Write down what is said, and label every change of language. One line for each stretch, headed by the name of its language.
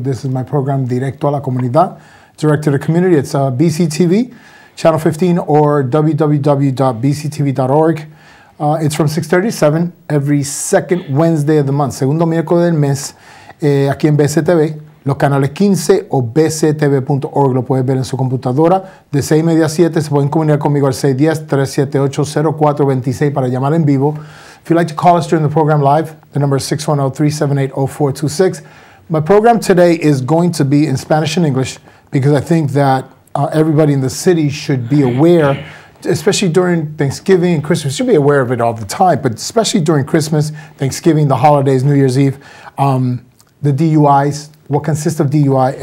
English: This is my program, Directo a la Comunidad, Direct to the Community. It's BCTV, Channel 15, or www.bctv.org. It's from 6:37 every second Wednesday of the month.
Spanish: Segundo miércoles del mes, aquí en BCTV, los canales 15 o bctv.org. Lo puedes ver en su computadora. De 6 y media a 7, se pueden comunicar conmigo al 610-378-0426 para llamar en vivo.
English: If you'd like to call us during the program live, the number is 610-378-0426. My program today is going to be in Spanish and English because I think that everybody in the city should be aware, especially during Thanksgiving and Christmas. You should be aware of it all the time, but especially during Christmas, Thanksgiving, the holidays, New Year's Eve, the DUIs, what consists of DUI.